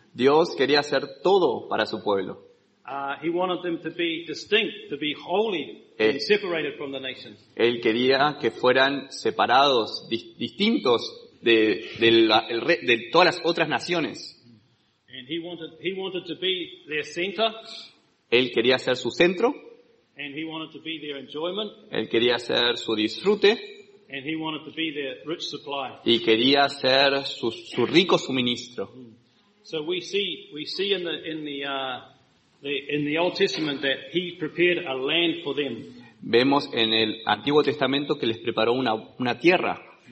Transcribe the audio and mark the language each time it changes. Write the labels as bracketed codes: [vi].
[es] Dios quería hacer todo para su pueblo. [en] He wanted them to be distinct, to be holy and separated from the nations. [es] Él quería que fueran separados, distintos de todas las otras naciones. [en] And he wanted to be their center. [es] Él quería ser su centro. [en] And he wanted to be their enjoyment. [es] Él quería ser su disfrute. [en] And he wanted to be their rich supply. [es] Y quería ser su rico suministro. [en] So we see in the Old Testament that he prepared a land for them. [es] Vemos en el Antiguo Testamento que les preparó una tierra.